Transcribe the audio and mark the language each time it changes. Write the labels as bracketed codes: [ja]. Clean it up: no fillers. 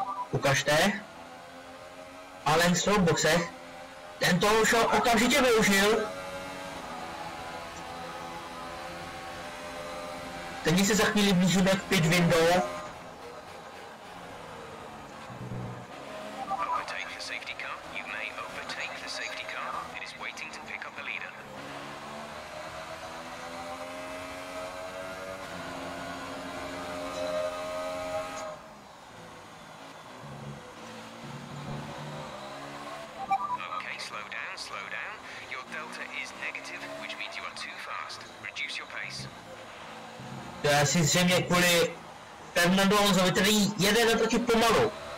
[cs] Ukažte. Alonso v boxech. Tento už ho okamžitě využil. Teď se za chvíli blížíme k pit window. [en] Overtake the safety car. You may overtake the safety car. It is waiting to pick up the leader. Okay, slow down, slow down. Your delta is negative, which means you are too fast. Reduce your pace. [cs] To je asi zřejmě kvůli Fernando Alonsovi, který jede naproti pomalu.